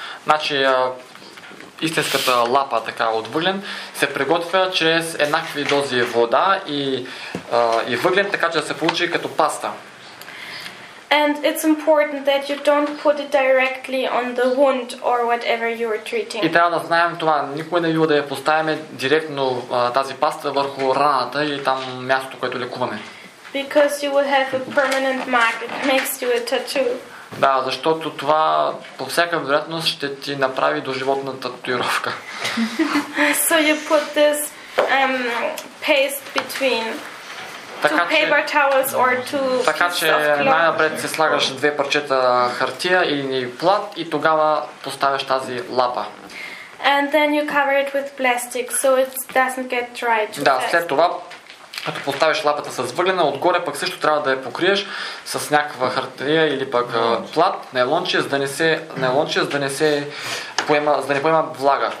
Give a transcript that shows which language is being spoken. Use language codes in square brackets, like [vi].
[bg] Значи истинската лапа така от въглен се приготвя чрез еднакви дози вода и въглен, така че да се получи като паста. [en] And it's important that you don't put it directly on the wound or whatever you are treating. [bg] И трябва да знаем това, никой не бива да я поставяме директно тази паста върху раната или там мястото, което лекуваме. [en] Because you will have a permanent mark, it makes you a tattoo. [bg] Да, защото това по всяка вероятност ще ти направи доживотна татуировка. [en] So you put this paste between two paper towels or two pieces of cloth. [bg] Така че най-напред се слагаш две парчета хартия или плат и тогава поставяш тази лапа. [en] And then you cover it with plastic so it doesn't get dry too fast. [bg] Да, след това като поставиш лапата с въглена, отгоре пък също трябва да я покриеш с някаква хартия или пък плат, нейлонче, за да не се поема, за да не поема влага.